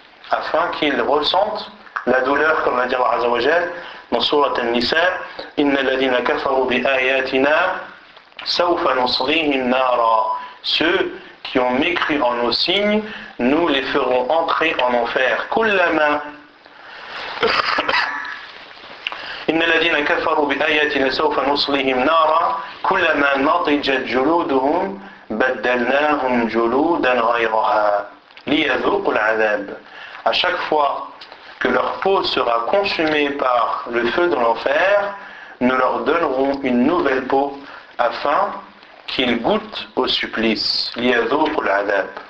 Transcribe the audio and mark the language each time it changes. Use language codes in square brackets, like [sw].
[fr] afin qu'il ressente la douleur, comme l'a dit Allah Azza wa Jal dans Surat An-Nisa, [ar] inna alladhina kafaru bi ayatina sawfa nusrihim nara, [fr] ceux qui ont mécru en nos signes, nous les ferons entrer en enfer. [ar] Kullama إن الذين كفروا بآياتنا سوف نصليهم نارا كلما نضجت جلودهم بدلناهم جلودا غيرها ليذوقوا العذاب. [fr] À chaque fois que leur peau sera consumée par le feu de l'enfer, nous leur donnerons une nouvelle peau afin qu'ils goûtent au supplice. [ar] ليذوقوا العذاب.